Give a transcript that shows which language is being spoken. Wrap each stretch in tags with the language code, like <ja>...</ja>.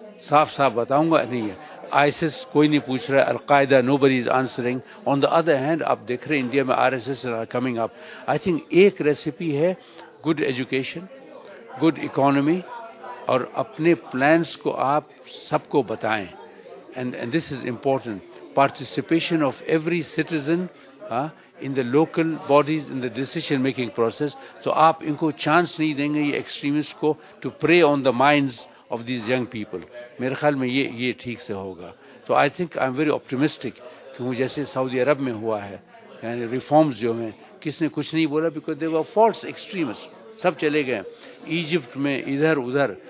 <ur>صاف صاف بتاؤں گا, نہیں ہے ISIS کوئی نہیں پوچھ رہا ہے, القاعدہ</ur> <en>Nobody is answering. On the other hand</en> <ur>آپ دیکھ رہے ہیں انڈیا میں RSS</ur> <en>Are coming up. I think</en> <ur>ایک ریسیپی ہے</ur> <en>good education, good economy,</en> <ur>اور اپنے پلانس کو آپ سب کو بتائیں.</ur> <en>And this is important, participation of every citizen in the local bodies in the decision making process.</en> <ur>تو آپ ان کو چانس نہیں دیں گے یہ ایکسٹریمسٹ کو</ur> <en>To prey on the minds of these young people.</en> <ur>میرے خیال میں یہ ٹھیک سے ہوگا. تو</ur> <en>I think I am very optimistic</en> <ur>کیوں, جیسے سعودی عرب میں ہوا ہے, یعنی ریفارمز جو ہیں کس نے کچھ نہیں بولا</ur> <en>because they were false extremist,</en> <ur>سب چلے گئے ایجپٹ میں ادھر ادھر.</ur>